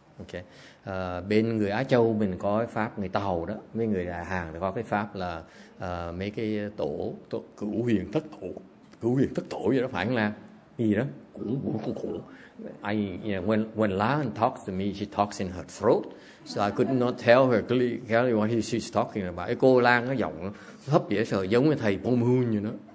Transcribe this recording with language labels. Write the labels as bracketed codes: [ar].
[vi] Okay, bên người Á Châu mình có cái pháp người Tàu đó, mấy người Đại Hàn có cái pháp là mấy cái tổ cửu huyền thất tổ gì đó, phải không nào? Gì đó? Cửu. [en] I when Lan talks to me, she talks in her throat, so I could not tell her clearly what she's talking about. [vi] Cô Lan cái giọng thấp dễ sợ giống như thầy Bông Hương như nó.